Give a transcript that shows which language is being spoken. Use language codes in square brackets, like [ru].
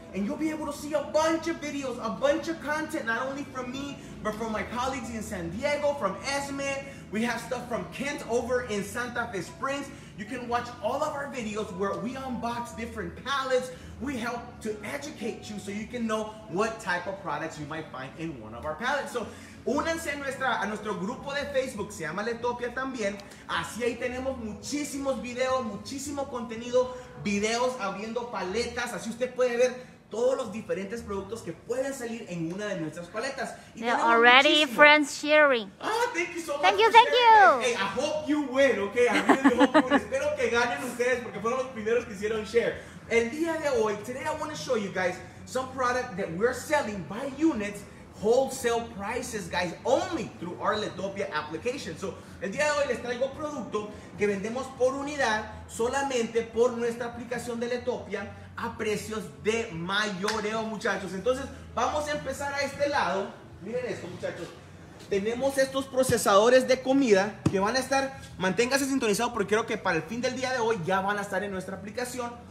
[en] And you'll be able to see a bunch of videos, a bunch of content, not only from me, but from my colleagues in San Diego, from Esme. We have stuff from Kent over in Santa Fe Springs. You can watch all of our videos where we unbox different pallets. We help to educate you so you can know what type of products you might find in one of our pallets. [es] So, únanse a nuestro grupo de Facebook, se llama Letopia también. Así ahí tenemos muchísimos videos, muchísimo contenido, videos abriendo paletas. Así usted puede ver todos los diferentes productos que pueden salir en una de nuestras paletas. They're already muchísimo. Friends sharing. [en] Ah, thank you so much. Thank you. Hey, I hope you win, okay? I really hope you win. [es] Espero que ganen ustedes porque fueron los primeros que hicieron share. El día de hoy, [en] today I want to show you guys some product that we're selling by units, wholesale prices, guys, only through our Letopia application. [es] So, el día de hoy les traigo producto que vendemos por unidad solamente por nuestra aplicación de Letopia a precios de mayoreo, muchachos. Entonces, vamos a empezar a este lado. Miren esto, muchachos. Tenemos estos procesadores de comida que van a estar, manténgase sintonizado porque creo que para el fin del día de hoy ya van a estar en nuestra aplicación.